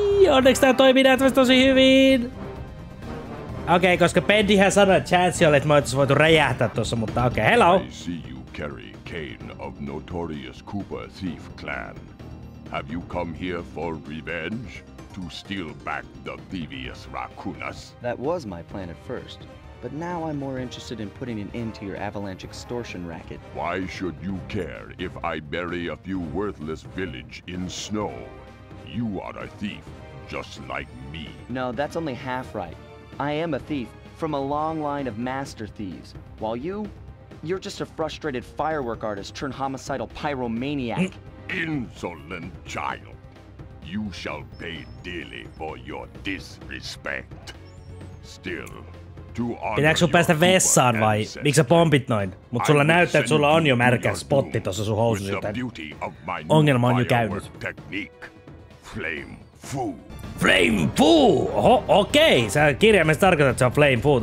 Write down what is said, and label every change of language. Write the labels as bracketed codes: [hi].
[fi] Onneksi tää toimii näyttävästi tosi hyvin! Okei, koska Bendyhän sanoi, että chance oli, että me oltais voitu räjähtää tossa, mutta okei, hello! [en] I see you carry Kane of Notorious Cooper Thief Clan. Have you come here for revenge? To steal back the Thievius Raccoonus? That was my plan at first. But now I'm more interested in putting an end to your avalanche extortion racket. Why should you care if I bury a few worthless village in snow? You are a thief, just like me. No, that's only half right. I am a thief from a long line of master thieves. While you, you're just a frustrated firework artist turned homicidal pyromaniac. Insolent child. You shall pay dearly for your disrespect. Still, [fi] pitääkö sun päästä vessaan vai miksi sä pompit noin? Mut sulla näyttää, että sulla on jo märkä spotti tossa sun housussa, joten ongelma on jo käynyt. [en] Flame Foo! Flame Foo! Oho, okei! [fi] Sä kirjaimessa tarkoitat, että se on Flame Foo.